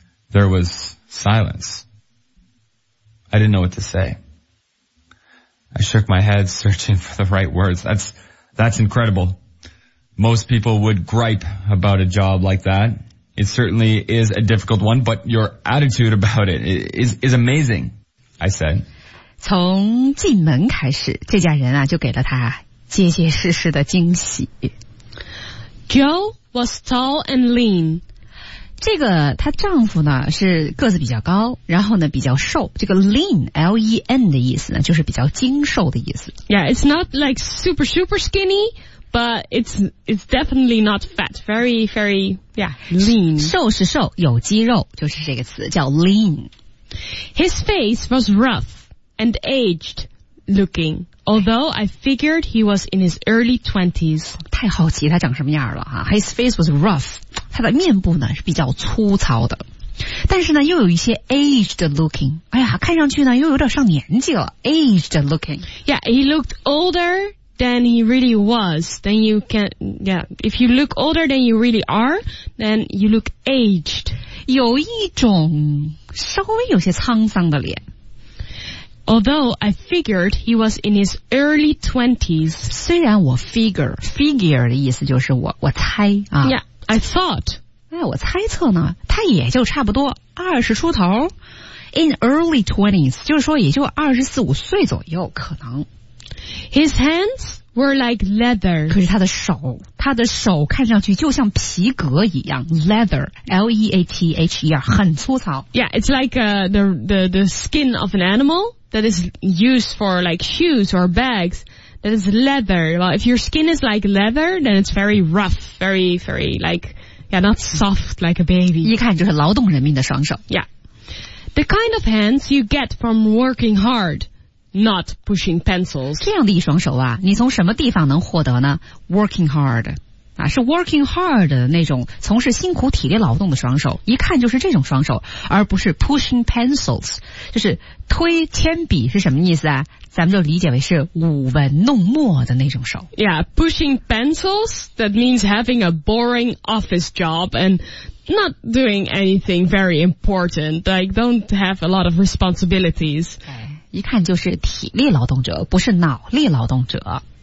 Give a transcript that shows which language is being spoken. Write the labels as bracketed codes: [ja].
[en] There was silence. I didn't know what to say. I shook my head, searching for the right words. That's incredible. Most people would gripe about a job like that. It certainly is a difficult one, but your attitude about it is amazing, I said. [zh] 从进门开始，这家人啊，就给了他结结实实的惊喜。 [en] Joe was tall and lean. [zh] 这个她丈夫呢是个子比较高，然后呢比较瘦。这个 lean, L-E-N 的意思呢就是比较精瘦的意思。 [en] Yeah, it's not like super, super skinny, but it's definitely not fat. Very, very, yeah, lean. [zh] 瘦是瘦，有肌肉，就是这个词叫 lean. [en] His face was rough and aged looking. Although I figured he was in his early 20s. [zh] 太好奇他长什么样了啊。 [en] His face was rough. [zh] 他的面部呢是比较粗糙的。但是呢又有一些 [en] aged looking. [zh] 哎呀看上去呢又有点上年纪了。 [en] Aged looking. Yeah, he looked older than he really was. Then you can, yeah, if you look older than you really are, then you look aged. [zh] 有一种稍微有些沧桑的脸。 [en] Although I figured he was in his early 20s. [zh] 虽然我 figure 的意思就是我猜啊。 [en] Yeah, I thought. [zh] 哎，我猜测呢，他也就差不多二十出头。 [en] In early 20s, [zh] 就是说也就二十四五岁左右可能。 [en] His hands were like leather. [zh] 可是他的手看上去就像皮革一样 ,leather, L-E-A-T-H-E-R, 很粗糙。 [en] Yeah, it's like the skin of an animal. That is used for like shoes or bags. That is leather. Well, if your skin is like leather, then it's very rough, very, very like, yeah, not soft like a baby. [zh] 一看就是劳动人民的双手。 [en] Yeah. The kind of hands you get from working hard, not pushing pencils. [zh] 这样的一双手啊，你从什么地方能获得呢？ [en] Working hard. [zh] 啊，是 [en] working hard [zh] 的那种从事辛苦体力劳动的双手，一看就是这种双手，而不是 [en] pushing pencils, [zh] 就是推铅笔是什么意思啊？咱们就理解为是舞文弄墨的那种手。 [en] Yeah, pushing pencils, that means having a boring office job and not doing anything very important, like don't have a lot of responsibilities. [zh] 一看就是体力劳动者，不是脑力劳动者。